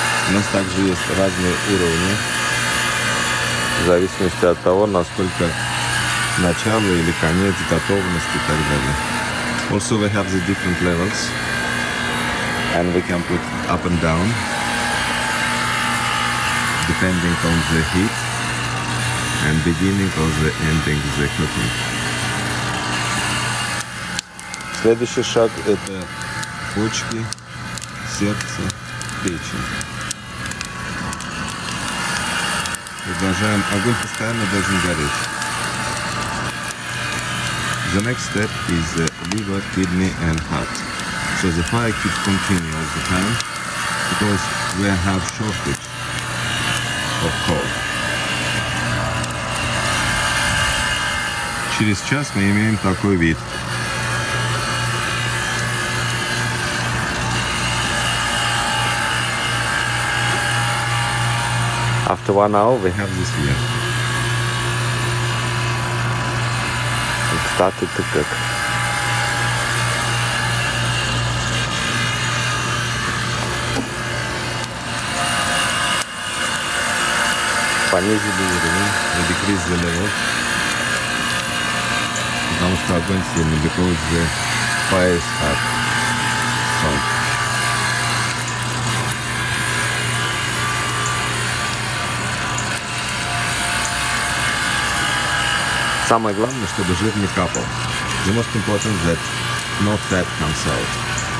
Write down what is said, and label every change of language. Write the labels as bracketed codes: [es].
[ru] У нас также есть разные уровни, в зависимости от того, насколько начало или конец готовности и так далее. [en] Also we have the different levels, and we can put up and down, depending on the heat and beginning or the ending of the cooking. [ru] Следующий шаг – это почки, сердце, печень. Продолжаем. Огонь постоянно должен гореть. [en] The next step is the liver, kidney and heart. So the fire keeps continuing all the time because we have shortage of coal. [ru] Через час мы имеем такой вид. [en] After 1 hour, we have this here. It started to cook. [ru] Понизили уровень. [en] We decrease the level. [ru] Потому что огонь сильный, [en] because the fire is hot. So. [ru] Самое главное, чтобы жир не капал. [en] The most important is that no fat comes out.